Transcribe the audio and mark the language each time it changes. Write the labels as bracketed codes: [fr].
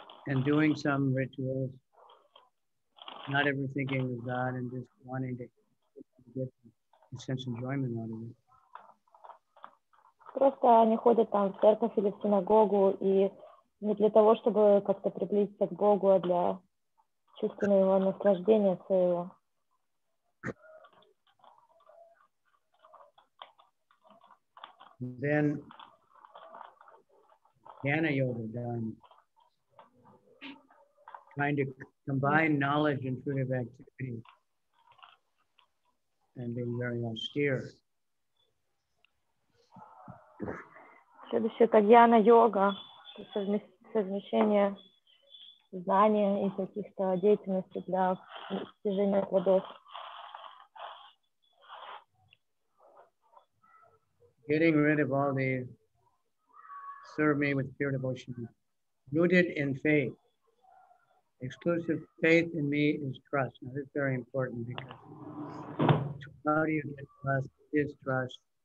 [en] And doing some rituals, not ever thinking of God and just wanting to get a sense of enjoyment out of it. [ru] Просто они ходят там в церковь или в синагогу и не для того, чтобы как-то приблизиться к Богу, а для чувственного наслаждения своего. [en] Then Dhyana Yoga done. Trying to combine knowledge and intuitive activity and being very austere. [ru] Следующее это гьяна-йога, совмещение знания и каких-то деятельностей для достижения плодов. [en] Getting rid of all these, serve me with pure devotion, rooted in faith. Exclusive faith in me is trust. Now this is very important because how do you get trust? Is trust.